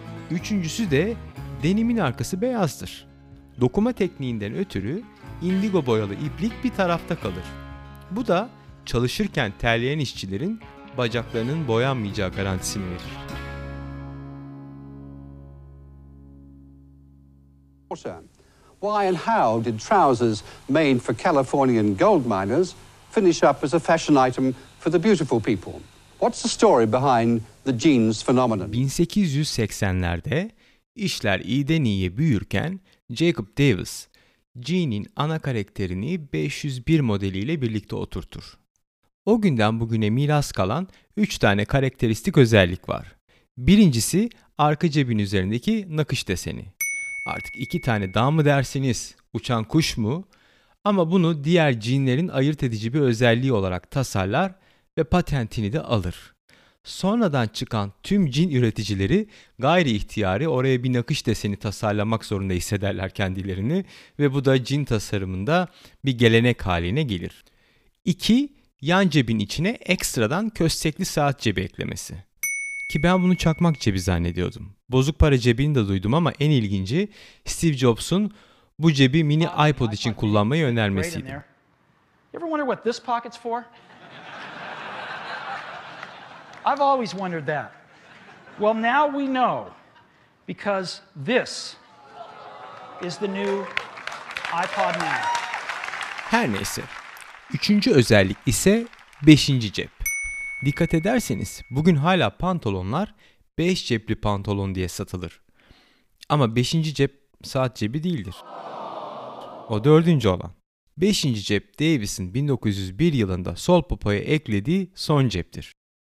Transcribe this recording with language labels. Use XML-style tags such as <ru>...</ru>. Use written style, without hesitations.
<tr>Üçüncüsü de denimin arkası beyazdır. Dokuma tekniğinden ötürü indigo boyalı iplik bir tarafta kalır. Bu da çalışırken terleyen işçilerin bacaklarının boyanmayacağı garantisini verir.</tr> <en>Why and how did trousers made for Californian gold miners finish up as a fashion item for the beautiful people? What's the story behind the jeans phenomenon?</en> <tr>1880'lerde işler iyiden iyiye büyürken Jacob Davis, Jean'in ana karakterini 501 modeliyle birlikte oturtur. O günden bugüne miras kalan 3 tane karakteristik özellik var. Birincisi arka cebin üzerindeki nakış deseni. Artık 2 tane daha mı dersiniz, uçan kuş mu? Ama bunu diğer jeanlerin ayırt edici bir özelliği olarak tasarlar ve patentini de alır. Sonradan çıkan tüm jean üreticileri gayri ihtiyari oraya bir nakış deseni tasarlamak zorunda hissederler kendilerini ve bu da jean tasarımında bir gelenek haline gelir. 2. Yan cebin içine ekstradan köstekli saat cebi eklemesi. Ki ben bunu çakmak cebi zannediyordum. Bozuk para cebini de duydum ama en ilginci Steve Jobs'un bu cebi mini iPod için kullanmayı önermesiydi.</tr> <en>You ever wonder what this pocket's for? I've always wondered that. Well, now we know because this is the new iPod Nano.</en> <tr>Her neyse. Üçüncü özellik ise 5. cep. Dikkat ederseniz bugün hala pantolonlar 5 cepli pantolon diye satılır. Ama 5. cep saat cebi değildir. O 4. olan. 5. cep Davis'in 1901 yılında sol popoya eklediği son ceptir.</tr>